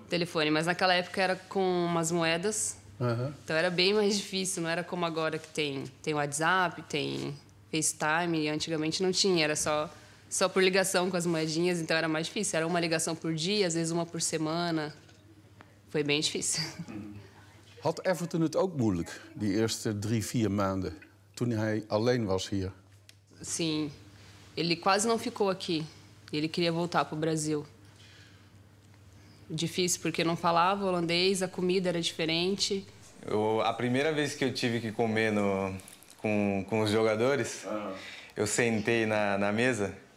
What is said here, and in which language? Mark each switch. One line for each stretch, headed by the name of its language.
Portuguese: Telefone, mas naquela época era com umas moedas. Uhum. Então era bem mais difícil, não era como agora que tem WhatsApp, tem FaceTime, e antigamente não tinha, era só por ligação com as moedinhas, então era mais difícil. Era uma ligação por dia, às vezes uma por semana. Foi bem difícil.
Dutch: Had Everton het ook moeilijk, die eerste 3-4 maanden, toen hij alleen was hier?
Portuguese: Sim. Ele quase não ficou aqui. Ele queria voltar pro Brasil. Difícil, porque não falava holandês, a comida era diferente. A primeira vez que eu tive que comer com os jogadores, eu sentei na mesa.